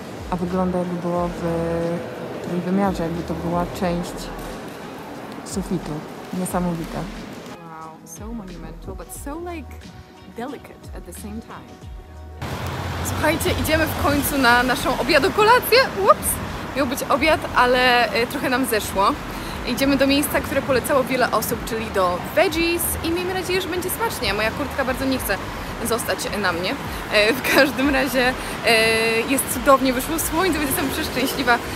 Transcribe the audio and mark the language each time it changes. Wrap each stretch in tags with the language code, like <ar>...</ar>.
<pl>A wygląda jakby było w tym wymiarze, jakby to była część sufitu. Niesamowite.</pl> <en>Wow, so monumental, but so like delicate at the same time.</en> <pl>Słuchajcie, idziemy w końcu na naszą obiadokolację. Ups! Miał być obiad, ale trochę nam zeszło. Idziemy do miejsca, które polecało wiele osób, czyli do Veggies i miejmy nadzieję, że będzie smacznie. Moja kurtka bardzo nie chce zostać na mnie. W każdym razie jest cudownie, wyszło słońce, więc jestem przeszczęśliwa.</pl>